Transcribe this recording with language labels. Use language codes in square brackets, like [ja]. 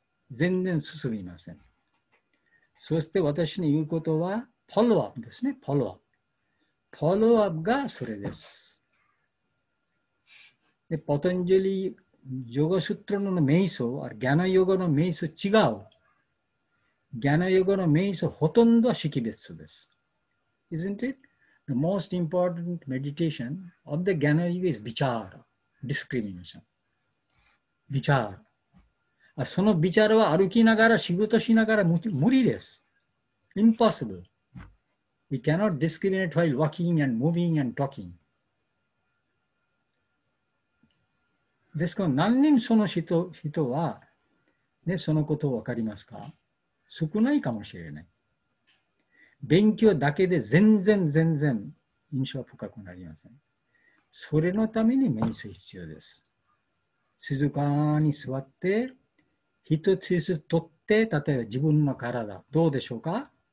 [ja] 全然進みません。そして私の言うことは、フォローアップですね、フォローアップ。フォローアップがそれです。で、パタンジェリヨガスートラの瞑想、あるギャナヨガの瞑想違う。ギャナヨガの瞑想ほとんどは識別です。 [en] Isn't it? The most important meditation of the Gyana Yoga is Vichara, discrimination. [ja] ビチャー、そのビチャールは歩きながら仕事しながら無理です。 [en] Impossible. We cannot discriminate while walking and moving and talking. [ja] ですから何人その人は、ね、そのことを分かりますか？少ないかもしれない。勉強だけで全然全然印象は深くなりません。それのために瞑想必要です。静かに座って、一つ一つ取って、例えば自分の体、どうでしょうか？